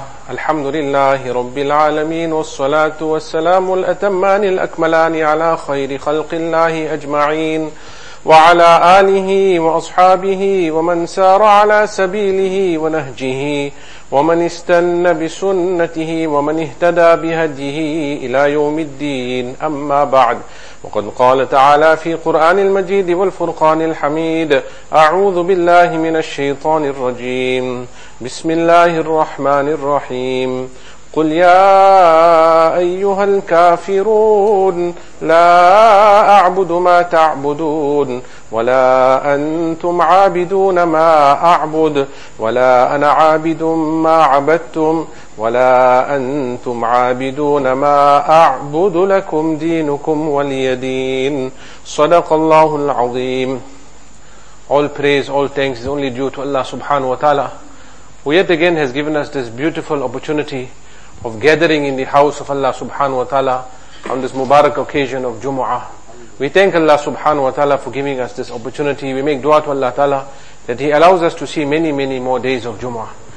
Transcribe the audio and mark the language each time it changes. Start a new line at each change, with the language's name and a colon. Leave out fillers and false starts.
Arabic: আলহামদুলিল্লাহি রাব্বিল আলামিন ওয়াস সালাতু ওয়াস সালামুল আতাম্মানি আল আকমালানি আলা খায়রি খালকিল্লাহি আজমাইন ওয়া আলা আলিহি ওয়া আসহাবিহি ওয়া মান সারা আলা সাবিলিহি ওয়া নাহজিহি ওয়া মান ইসতানা বিসুন্নতিহি ওয়া মান ইহতাদা বিহাদিহি ইলা ইয়াউমিদ্দিন আম্মা বা'দ। وقد قال تعالى في قرآن المجيد والفرقان الحميد أعوذ بالله من الشيطان الرجيم بسم الله الرحمن الرحيم قل يا أيها الكافرون لا أعبد ما تعبدون ولا أنتم عابدون ما أعبد ولا أنا عابد ما عبدتم ولا أنتم عابدون ما أعبد لكم دينكم ولي دين صدق الله العظيم.
English: All praise, all thanks is only due to Allah subhanahu wa ta'ala, who yet again has given us this beautiful opportunity of gathering in the house of Allah subhanahu wa ta'ala on this Mubarak occasion of Jumu'ah. We thank Allah subhanahu wa ta'ala for giving us this opportunity. We make dua to Allah ta'ala that He allows us to see many, many more days of Jumu'ah.